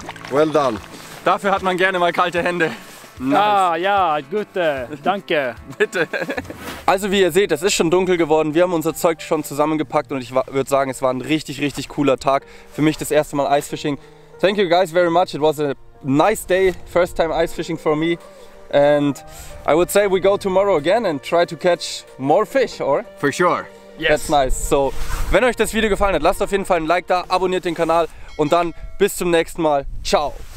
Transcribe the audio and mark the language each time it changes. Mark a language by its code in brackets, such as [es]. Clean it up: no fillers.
[en] Well done. [de] Dafür hat man gerne mal kalte Hände. Nice. Ah, ja, gute, danke. Bitte. Also wie ihr seht, es ist schon dunkel geworden. Wir haben unser Zeug schon zusammengepackt und ich würde sagen, es war ein richtig, richtig cooler Tag. Für mich das erste Mal Icefishing. [en] Thank you guys very much. It was a nice day. First time Icefishing for me. And I would say we go tomorrow again and try to catch more fish, or? For sure. Yes. That's nice. [de] So, wenn euch das Video gefallen hat, lasst auf jeden Fall ein Like da, abonniert den Kanal und dann bis zum nächsten Mal. Ciao.